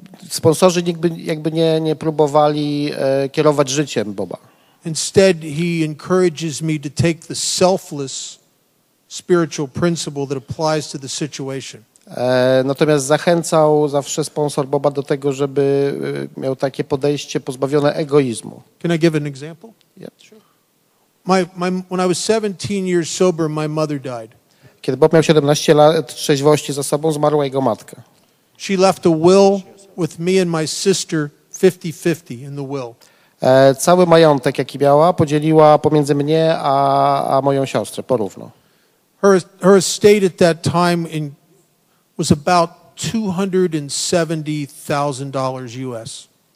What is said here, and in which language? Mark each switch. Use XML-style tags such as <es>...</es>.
<pl>Sponsorzy jakby nie próbowali kierować życiem Boba.</pl> <en>Instead, he encourages me to take the selfless spiritual principle that applies to the situation.</en> <pl>Natomiast zachęcał zawsze sponsor Boba do tego, żeby miał takie podejście pozbawione egoizmu.</pl> <en>Can I give an example? Yeah, sure. When I was 17 years sober, my mother died.</en> <pl>Kiedy Bob miał 17 lat trzeźwości za sobą, zmarła jego matka.</pl> <en>She left a will with me and my sister 50-50 in the will.</en> <pl>Cały majątek, jaki miała, podzieliła pomiędzy mnie a moją siostrę porówno.</pl> <en>Her estate at that time in was about $270,000 US.</en>